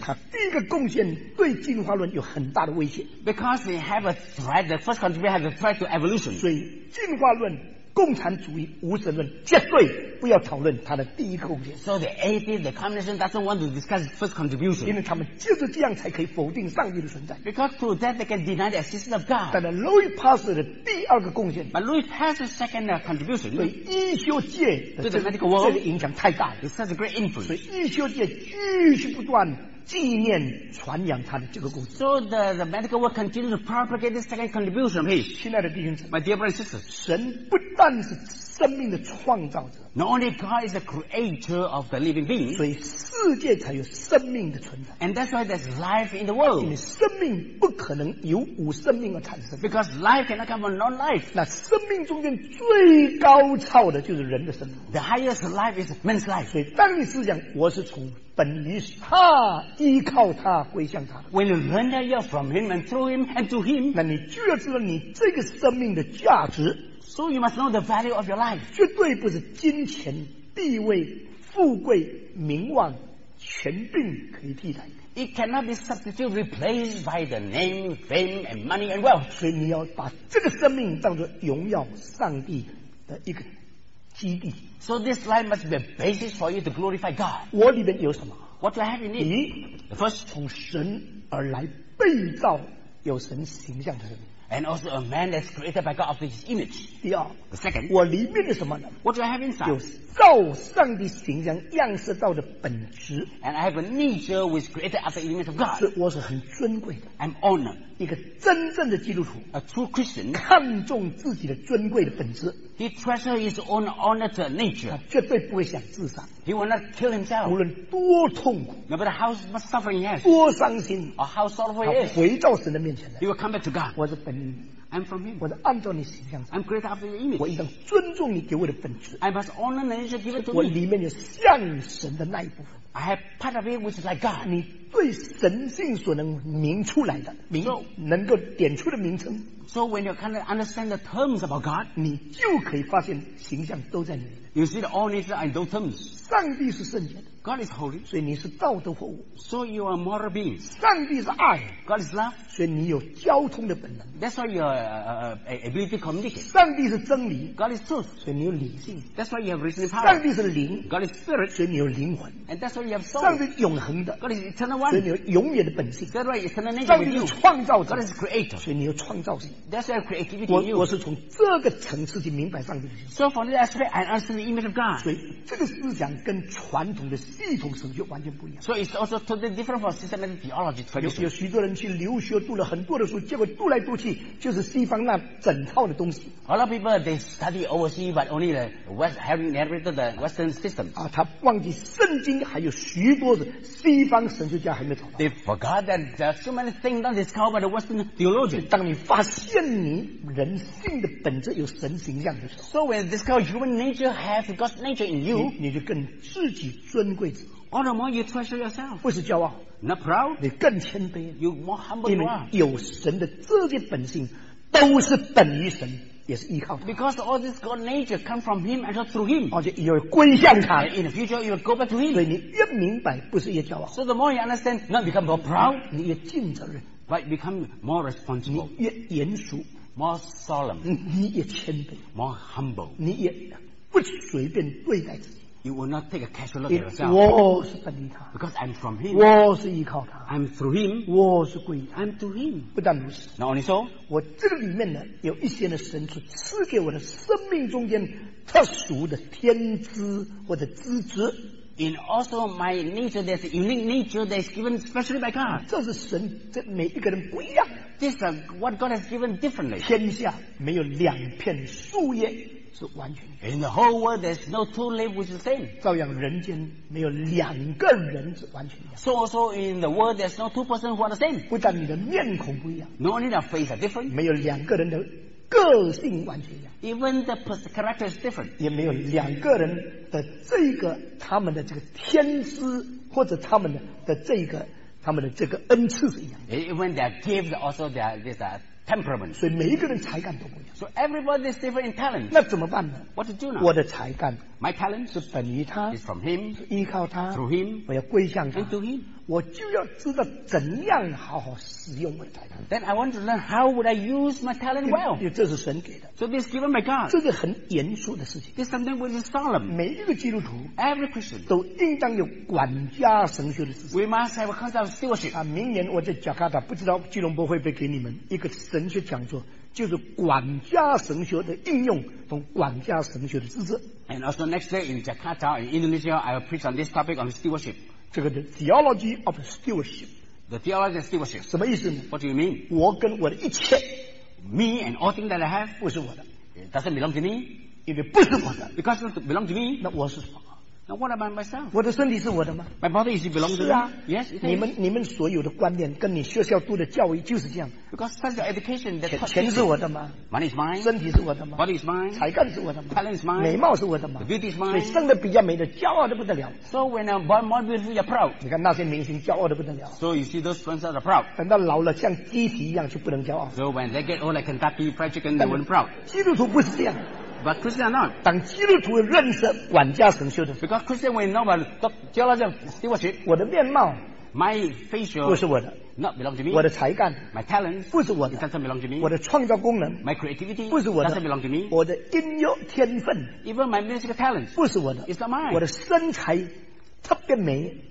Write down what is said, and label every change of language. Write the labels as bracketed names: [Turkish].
[Chinese] 他第一个贡献对进化论有很大的威胁。 [English] Because they have a threat, the first contribution has a threat to evolution. [Chinese] 所以进化论共产主义无神论绝对不要讨论他的第一个贡献。 [English] So the atheist, the communist doesn't want to discuss his first contribution. [Chinese] 因为他们就是这样才可以否定上帝的存在。 [English] Because through that they can deny the existence of God. [Chinese] 但是 Louis Pasteur 的第二个贡献。 [English] But Louis Pasteur's second contribution. [Chinese] 对医学界的 [English] 这个 medical world, [Chinese] 这个影响太大了。 [English] It's such a great influence. [Chinese] 所以医学界继续不断纪念传扬他的这个贡献。 [English] So the medical world continues to propagate this second contribution of his. [Chinese] 亲爱的弟兄姊妹， [English] My dear brothers and sisters, [Chinese] 神不但是生命的创造者， [English] Not only God is the creator of the living being, [Chinese] 所以世界才有生命的存在。 [English] And that's why there's life in the world. [Chinese] 因为生命不可能由无生命而产生。 [English] Because life cannot come from non-life. [Chinese] 那生命中间最高潮的就是人的生命。 [English] The highest life is man's life. [Chinese] 所以当你思想我是从本于他，依靠他，归向他。 [English] When you learn that you're from him and through him and to him, [Chinese] 那你就要知道你这个生命的价值。 [English] So you must know the value of your life. [Chinese] 绝对不是金钱、地位、富贵、名望、权柄可以替代。 [English] It cannot be substituted, replaced by the name, fame, and money and wealth. [Chinese] 所以你要把这个生命当作荣耀上帝的一个。 [English] So this life must be a basis for you to glorify God. [Chinese] 我里面有什么？ [English] What do I have in it? [Chinese] 你 [English] First, [Chinese] 从神而来，被造有神形象的人。 [English] And also a man that's created by God after his image. [Chinese] 第二， [English] The second, [Chinese] 我里面有什么呢？ [English] What do I have inside? [Chinese] 有造上帝形象样式造的本质。 [English] And I have a nature which is created after the image of God. [Chinese] 是我是很尊贵的。 [English] I'm honored. [Chinese] 一个真正的基督徒， [English] a true Christian, [Chinese] 看重自己的尊贵的本质。 [English] He treasures his own honored nature. [Chinese] 他绝对不会想自杀。 [English] He will not kill himself. [Chinese] 无论多痛苦， [English] no matter how much suffering he has, [Chinese] 多伤心， [English] or how sorrowful he is, [Chinese] 回到神的面前来。 [English] He will come back to God. [Chinese] 我是本你。 [English] I'm from him. [Chinese] 我是按照你形象。 [English] I'm created after your image. [Chinese] 我应当尊重你给我的本质。 [English] I must honor the nature given to me. [Chinese] 我里面有像神的那一部分。 [English] I have part of it which is like God. [Chinese] 你对神性所能明出来的明， [English] so, [Chinese] 能够点出的名称。 [English] So when you kind of understand the terms about God, [Chinese] 你就可以发现形象都在里面。 [English] You see the all nature and those terms. [Chinese] 上帝是圣洁的。 [English] God is holy. [Chinese] 所以你是道德活物。 [English] So you are moral beings. [Chinese] 上帝是爱。 [English] God is love. [Chinese] 所以你有交通的本能。 [English] That's why you have ability to communicate. [Chinese] 上帝是真理。 [English] God is truth. [Chinese] 所以你有理性。 [English] That's why you have reasoning power. [Chinese] 上帝是灵。 [English] God is spirit. [Chinese] 所以你有灵魂。 [English] And that's why you have soul. [Chinese] 上帝永恒的。 [English] God is eternal one. [Chinese] 所以你有永远的本性。 [English] God is eternal nature. [Chinese] 上帝是创造者。 [English] God is creator. [Chinese] 所以你有创造性。 [English] That's why creativity in you. [Chinese] 我是从这个层次去明白上帝的心。 [English] So from this aspect, I understand the image of God. [Chinese] 所以这个思想跟传统的系统神学完全不一样。 [English] So it's also totally different from systematic theology. [Chinese] 有许多人去留学读了很多的书，结果读来读去就是西方那整套的东西。 [English] A lot of people they study overseas, but only the West having inherited the Western system. [Chinese] 啊，他忘记圣经还有许多的西方神学家还没找到。 [English] They forgot that there are so many things not discovered by the Western theology. [Chinese] 当你发现你人性的本质有神形象的时候 [English] ，So when you discover human nature has God's nature in you, [Chinese] 你就更自己尊贵自己。 [English] All the more you treasure yourself. [Chinese] 不是骄傲 [English] ，Not proud. [Chinese] 你更谦卑 [English] ，You more humble. [Chinese] 因为有神的这些本性都是本于神，也是依靠他。 [English] Because all this God nature come from Him and through Him. [Chinese] 而且又归向他。 [English] And、in the future, you will go back to Him. [Chinese] 所以你越明白，不是越骄傲。 [English] So the more you understand, not become more proud. [Chinese] 你越尽责任。 [English] But become more responsible. [Chinese] 你越严肃 [English] ，more solemn. [Chinese] 你越谦卑 [English] ，more humble. [Chinese] 你也不随便对待自己。 [English] You will not take a casual look at yourself. [Chinese] 我是本于他 [English] ，because I'm from him. [Chinese] 我是依靠他 [English] ，I'm through him. [Chinese] 我是归 [English] ，I'm to him. [Chinese] 不但如此 [English] ，Not only so. [Chinese] 我这个里面呢，有一些的神是赐给我的生命中间特殊的天资或者资质。 [English] In also my nature, there's a unique nature that is given specially by God. [Chinese] 这是神，这每一个人不一样。 [English] This is what God has given differently. [Chinese] 天下没有两片树叶是完全一样。 [English] In the whole world, there's no two live with the same. [Chinese] 照样人间没有两个人是完全一样。 [English] So also in the world, there's no two persons who are the same. [Chinese] 不但你的面孔不一样。 [English] Not only the face are different. [Chinese] 没有两个人的个性完全一样。 [English] Even the character is different. [Chinese] 也没有两个人的这个他们的这个天资或者他们的这个他们的这个恩赐是一样的。 [English] Even their gift also there is a temperament. [Chinese] 所以每一个人才干都不一样。 [English] So everybody is different in talent. [Chinese] 那怎么办呢？ [English] What to do now? [Chinese] 我的才干 [English] ，My talent [Chinese] 是本于他 [English] ，is from him， [Chinese] 是依靠他 [English] ，through him， [Chinese] 我要归向他 [English] ，and to him， [Chinese] 我就要知道怎样好好使用我的才干。 [English] Then I want to learn how would I use my talent well. [Chinese] 因为这是神给的。 [English] So this is given by God. [Chinese] 这是很严肃的事情。 [English] This is something which is solemn. [Chinese] 每一个基督徒 [English] ，every Christian [Chinese] 都应当有管家神学的知识。 [English] We must have a kind of stewardship. [Chinese] 啊，明年我在加拿大，不知道吉隆坡会不会给你们一个。神学讲座就是管家神学的应用，从管家神学的知识。 [English] And also next day in Jakarta, in Indonesia, I will preach on this topic on stewardship. 这个 theology of stewardship. The theology of stewardship. [Chinese] 什么意思呢？ [English] What do you mean? [Chinese] 我跟我的一切， [English] me and all things that I have， [Chinese] 不是我的。 [English] It doesn't belong to me. [Chinese] 因为不是我的。 [English] Because it belongs to me. [Chinese] 那我是什么？ [English] Now what about myself? [Chinese] 我的身体是我的吗？ [English] My body is it belongs to me? [Chinese] 是啊。 [English] Yes, it is. [Chinese] 你们所有的观念跟你学校读的教育就是这样。 [English] Because that's your education. [Chinese] 钱是我的吗？ [English] Money is mine. [Chinese] 身体是我的吗？ [English] Body is mine. [Chinese] 才干是我的吗？ [English] Talent is mine. [Chinese] 美貌是我的吗？ [English] The beauty is mine. [Chinese] 所以生得比较美的骄傲得不得了。 [English] So when I'm born more beautiful, you're proud. [Chinese] 你看那些明星骄傲得不得了。 [English] So you see those friends are proud. [Chinese] 等到老了像鸡皮一样就不能骄傲。 [English] So when they get old like Kentucky Fried Chicken, they weren't proud. [Chinese] 基督徒不是这样。 [English] But Christian are not. [Chinese] 当基督徒认识管家神学的 [English] ，because Christian we know about theology stewardship. [Chinese] 我的面貌 [English] ，my facial [Chinese] 不是我的 [English] ，not belong to me. [Chinese] 我的才干 [English] ，my talent [Chinese] 不是我的 [English] ，it doesn't belong to me. [Chinese] 我的创造功能 [English] ，my creativity [Chinese] 不是我的 [English] ，doesn't belong to me. [Chinese] 我的音乐天分 [English] ，even my musical talent [Chinese] 不是我的 [English] ，it's not mine. [Chinese] 我的身材特别美